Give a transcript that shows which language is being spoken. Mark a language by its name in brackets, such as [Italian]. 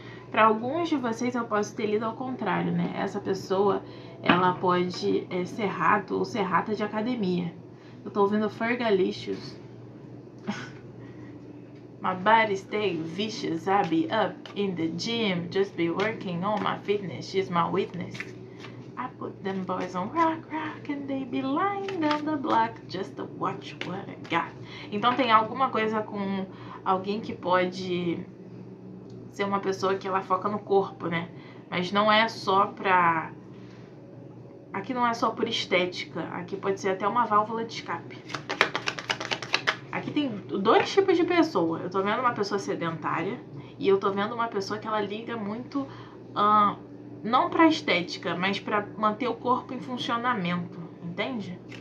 [Portuguese] Para alguns de vocês eu posso ter lido ao contrário, né? Essa pessoa, ela pode ser rato ou ser rata de academia. Eu tô ouvindo Fergalicious. [English] My body stay vicious, I be up in the gym, just be working on my fitness, she's my witness. I put them boys on rock, rock, and they be lying down the block, just to watch what I got. [Portuguese] Então tem alguma coisa com alguém que pode ser uma pessoa que ela foca no corpo, né? Mas não é só pra. Aqui não é só por estética, aqui pode ser até uma válvula de escape. Aqui tem dois tipos de pessoa. Eu tô vendo uma pessoa sedentária e eu tô vendo uma pessoa que ela liga muito, não pra estética, mas pra manter o corpo em funcionamento, entende?